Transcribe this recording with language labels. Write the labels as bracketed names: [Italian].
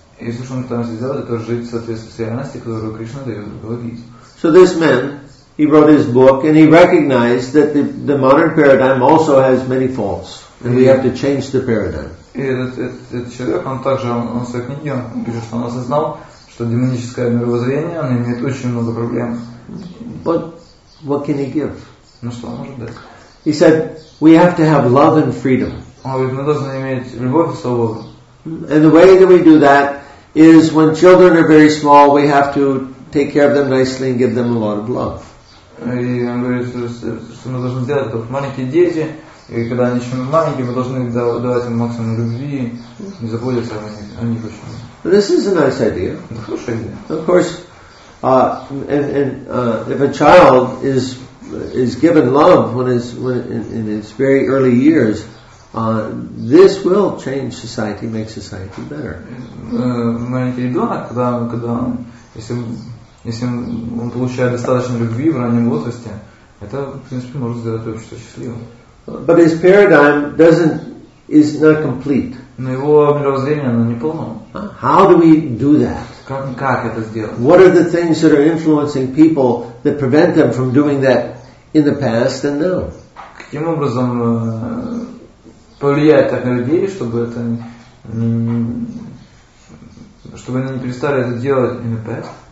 [Russian] И все, что мы пытаемся сделать, это жить в соответствии с реальностью, которую Кришна дает в Бхагавад Гите. [English] So this man, he wrote his book, and he recognized that the modern paradigm also has many faults, and we have to change the paradigm. [Russian] И этот человек, он также, он в своей книге, он пишет, что он осознал, что демоническое мировоззрение, оно имеет очень много проблем. [English] But what can he give? [Russian] Ну что он может дать? [English] He said, we have to have love and freedom. [Russian] Он говорит, мы должны иметь любовь и свободу. [English] And the way that we do that is when children are very small, we have to take care of them nicely and give them a lot of love. [Russian] И он говорит, что мы должны делать, как маленькие дети, и когда они еще маленькие, мы должны давать им максимум любви и заботиться о них очень много. [English] This is a nice idea. [Russian] Это хорошая идея. [English] Of course, if a child is given love when in its very early years, this will change society, make society better. [Russian] Маленький ребенок, когда он, если он получает достаточно любви в раннем возрасте, это, в принципе, может сделать общество счастливым. [English] But his paradigm is not complete. [Russian] Но его мировоззрение, оно не полно. [English] How do we do that? [Russian] Как это сделать? [English] What are the things that are influencing people that prevent them from doing that in the past and now? [Russian] Каким образом повлиять так на людей, чтобы они не перестали это делать [English] in the past?